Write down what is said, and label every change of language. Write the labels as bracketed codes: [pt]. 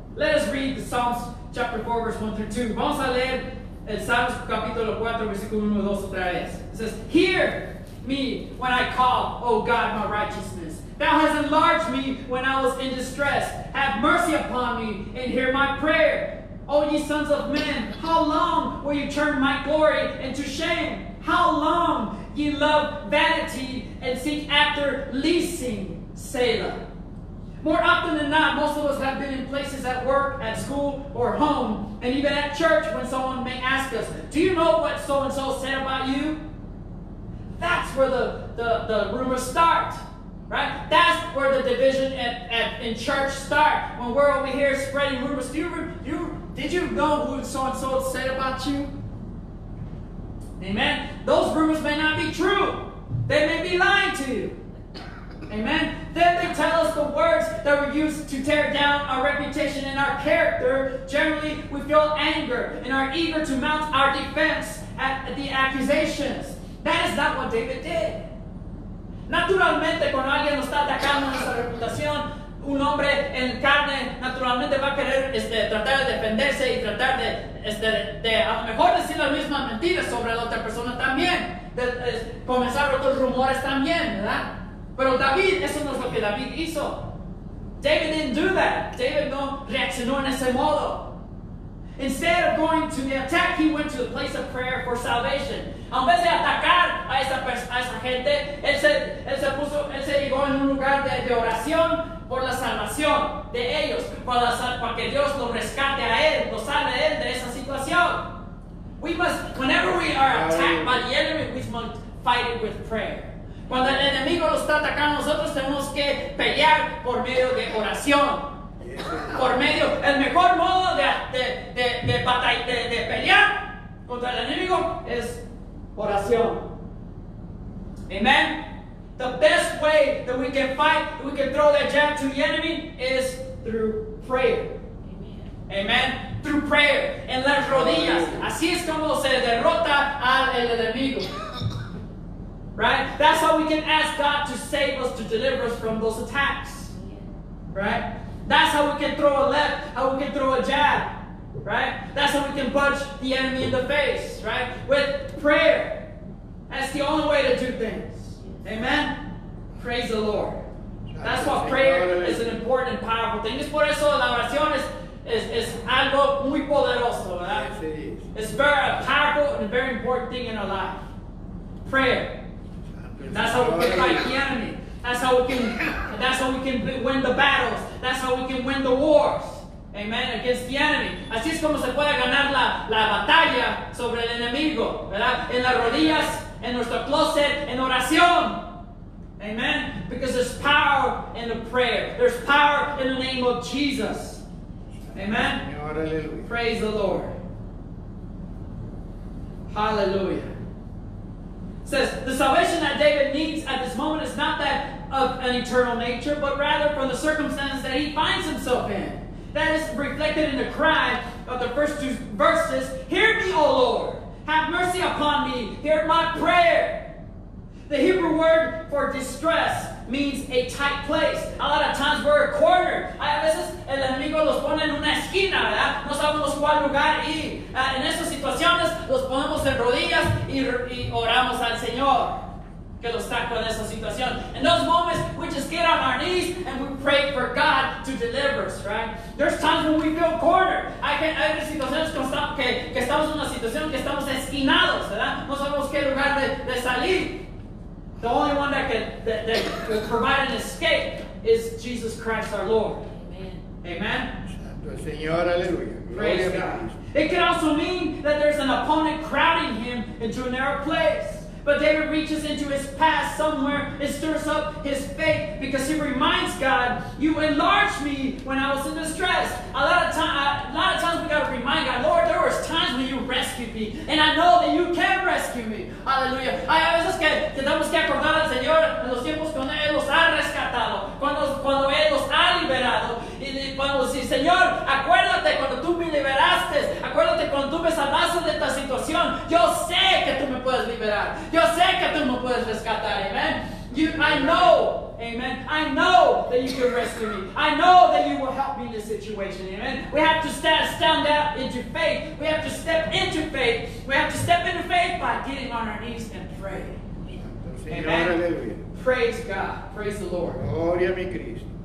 [en] Let us read the Psalms chapter 4, verse 1 through 2. [es] Vamos a leer el Salmo capítulo 4, versículo 1, 2, otra vez. [en] It says, hear me when I call, O God, my righteousness. Thou hast enlarged me when I was in distress. Have mercy upon me and hear my prayer. O ye sons of men, how long will you turn my glory into shame? How long ye love vanity and seek after leasing, Selah? More often than not, most of us have been in places at work, at school, or home, and even at church when someone may ask us, do you know what so-and-so said about you? That's where the rumors start, right? That's where the division in church start, when we're over here spreading rumors. Did you know who so-and-so said about you? Amen? Those rumors may not be true. They may be lying to you. Amen? Then they tell us the words that were used to tear down our reputation and our character. Generally, we feel anger and are eager to mount our defense at the accusations. That is not what David did. [es] Naturalmente, cuando alguien nos está atacando nuestra reputación, un hombre en carne naturalmente va a querer tratar de defenderse y tratar de a lo mejor decir las mismas mentiras sobre la otra persona también, de comenzar otros rumores también, ¿verdad? Pero David, eso no es lo que David hizo. [en] David didn't do that. [es] David no reaccionó en ese modo. [en] Instead of going to the attack, he went to the place of prayer for salvation. [es] En vez de atacar a esa gente, él se llegó en un lugar de oración por la salvación de ellos, para que Dios lo rescate a él, lo salve a él de esa situación. [en] Whenever we are attacked by the enemy, we must fight it with prayer. [es] Cuando el enemigo nos está atacando, nosotros tenemos que pelear por medio de oración. Por medio, el mejor modo de pelear contra el enemigo es oración. [en] Amen. The best way that we can fight, we can throw that jab to the enemy, is through prayer. [es] Amen. [en] Through prayer. [es] En las rodillas. Así es como se derrota al enemigo. [en] Right? That's how we can ask God to save us, to deliver us from those attacks. Right? That's how we can throw a left, how we can throw a jab. Right? That's how we can punch the enemy in the face. Right? With prayer. That's the only way to do things. Amen? Praise the Lord. That's why prayer is an important and powerful thing. [es] Es por eso la oración es algo muy poderoso, ¿verdad? [en] It's very powerful and a very important thing in our life. Prayer. That's how we can fight the enemy. That's how we can win the battles. That's how we can win the wars. Amen? Against the enemy. [es] Así es como se puede ganar la batalla sobre el enemigo, ¿verdad? En las rodillas, en nuestro closet, en oración. [en] Amen? Because there's power in the prayer. There's power in the name of Jesus. Amen? [es] Señor, aleluya. [en] Praise the Lord. Hallelujah. It says, the salvation that David needs at this moment is not that of an eternal nature, but rather from the circumstances that he finds himself in. That is reflected in the cry of the first two verses. Hear me, O Lord. Have mercy upon me. Hear my prayer. The Hebrew word for distress means a tight place. A lot of times we're a corner. [es] A veces el enemigo los pone en una esquina, ¿verdad? No sabemos cuál lugar ir. En esas situaciones los ponemos en rodillas y oramos al Señor que los saque de esa situación. [en] In those moments, we just get on our knees and we pray for God to deliver us, right? There's times when we feel cornered. [es] Hay situaciones que estamos en una situación que estamos esquinados, ¿verdad? No sabemos qué lugar de salir. [en] The only one that can provide an escape is Jesus Christ our Lord. Amen. Amen. [es] Santo el Señor, aleluya. [en] Praise God. It can also mean that there's an opponent crowding him into a narrow place. But David reaches into his past somewhere and stirs up his faith because he reminds God, you enlarged me when I was in distress. A lot of times we got to remind God, Lord, there was times when you rescued me, and I know that you can rescue me. Hallelujah. [es] Hay veces que tenemos que acordar al Señor en los tiempos cuando Él los ha rescatado, cuando Él los ha liberado. Y cuando dice, Señor, acuérdate cuando tú me liberaste, acuérdate cuando tú me salvaste de esta situación. Yo sé que tú me puedes liberar. Yo sé que tú me puedes rescatar, amen. [en] I know that you can rescue me. I know that you will help me in this situation, amen. We have to stand out into faith. We have to step into faith. We have to step into faith by getting on our knees and pray. Amen. Praise God. Praise the Lord. [es] Gloria a mi Cristo.